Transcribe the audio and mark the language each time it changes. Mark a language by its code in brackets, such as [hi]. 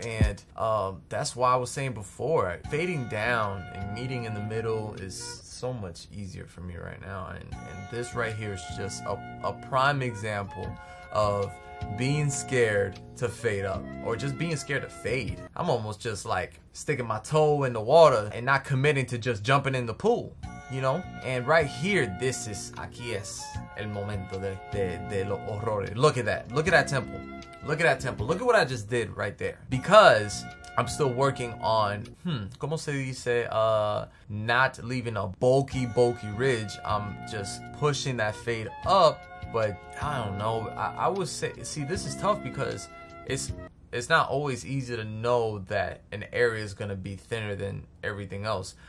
[en] And that's why I was saying before, fading down and meeting in the middle is so much easier for me right now. And this right here is just a prime example of being scared to fade up, or just being scared to fade. I'm almost just like sticking my toe in the water and not committing to just jumping in the pool, you know? And right here, this is, [es] aquí es el momento de los horrores. [en] Look at that. Look at that temple. Look at that temple. Look at what I just did right there. Because I'm still working on, [es] ¿cómo se dice? [en] Not leaving a bulky, bulky ridge. I'm just pushing that fade up, but I don't know. I would say, see, this is tough because it's not always easy to know that an area is going to be thinner than everything else.